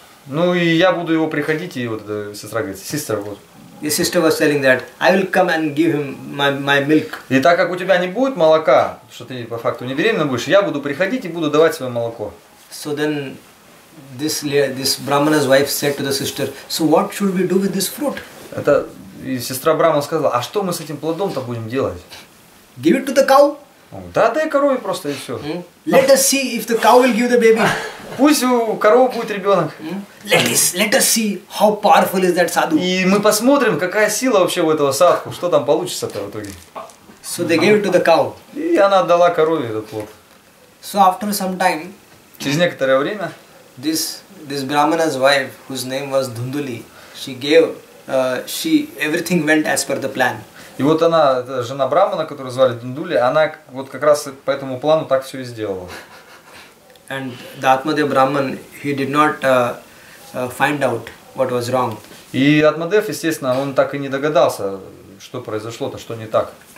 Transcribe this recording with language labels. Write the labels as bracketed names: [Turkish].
[Russian] Ну и я буду его приходить, и вот сестра говорит, sister, вот, [English] His sister was telling that I will come and give him my milk. [Russian] И так как у тебя не будет молока, что ты по факту не беременна будешь, я буду приходить и буду давать свое молоко. [English] So then this Brahmana's wife said to the sister, so what should we do with this fruit? [Russian] Это и сестра Брахмана сказала, а что мы с этим плодом-то будем делать? [English] Give it to the cow. [Russian] Да, дай корове просто и все. [English] Let us see if the cow will give the baby. [Russian] Пусть у коровы будет ребенок. [English] Let us see how powerful is that sadhu. [Russian] И мы посмотрим, какая сила вообще у этого садху, что там получится-то в итоге. [English] So they gave it to the cow. [Russian] И она отдала корове этот плод. [English] So after some time. [Russian] Через некоторое время. [English] This brahmana's wife, whose name was Dhunduli, she gave, she everything went as per the plan. [Russian] И вот она, это жена брахмана, которую звали Дундули, она вот как раз по этому плану так все и сделала. [English] And the Atmadev Brahman, he did not find out what was wrong. [Russian] И Атмадев, естественно, он так и не догадался, что произошло-то, что не так.